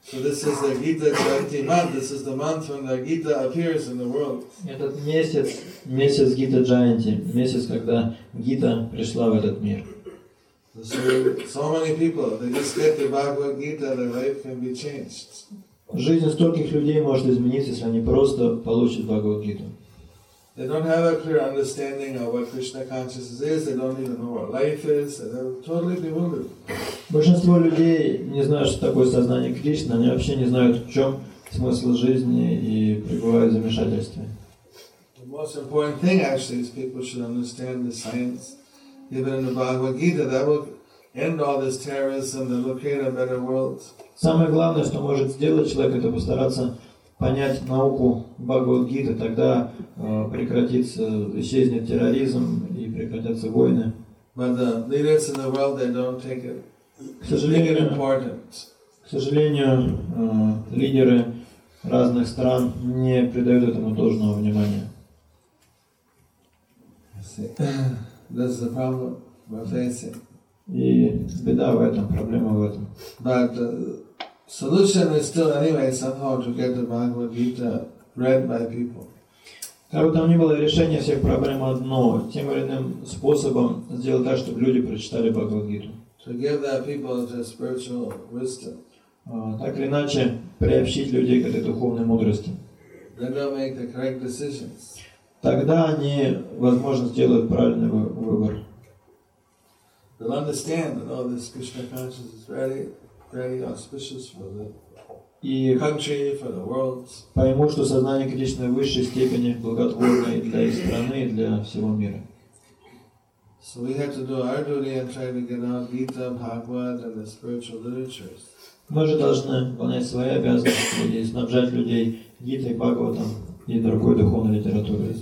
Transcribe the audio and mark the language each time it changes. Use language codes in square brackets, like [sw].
[en] So this is the Gita Jayanti month. This is the month when the Gita appears in the world. [ru] Этот месяц, месяц Гита Джайанти, месяц, когда Гита пришла в этот мир. [en] So many people, they just get the Bhagavad Gita, their life can be changed. [ru] Жизнь стольких людей может измениться, если они просто получат Бхагавад Гиту. [en] They don't have a clear understanding of what Krishna consciousness is. They don't even know what life is. They're totally bewildered. [ru] Большинство людей не знают, что такое сознание Кришны. Они вообще не знают, в чем смысл жизни и пребывают в замешательстве. [en] The most important thing, actually, is people should understand the science given in the Bhagavad Gita. That will end all this terrorism. They will create a better world. [ru] Самое главное, что может сделать человек, это постараться понять науку Бхагавад-гиты, тогда прекратится, исчезнет терроризм и прекратятся войны. [en] But the leaders in the world, they don't take it. [ru] К сожалению, лидеры разных стран не придают этому должного внимания. [en] That's the problem we're facing. [ru] И беда в этом, проблема в этом. [en] Solution is still anyway somehow to get the Bhagavad Gita read by people. [ru] Как бы там ни было, решение всех проблем одно, тем или иным способом сделать так, чтобы люди прочитали Бхагавад Гиту. [en] To give that people the spiritual wisdom. [ru] Так или иначе, приобщить людей к этой духовной мудрости. [en] Then they'll make the correct decisions. [ru] Тогда они, возможно, сделают правильный выбор. [en] They'll understand that all this Krishna consciousness is ready. Very auspicious for the country, for the world. [ru] Пойму, что сознание Кришны в высшей степени благотворное для их страны и для всего мира. [en] So we have to do our duty and try to get out Gita, Bhagavad, and the spiritual literatures. [ru] Мы же должны выполнять свои обязанности и снабжать людей Гитой, Бхагаватом и другой духовной литературой.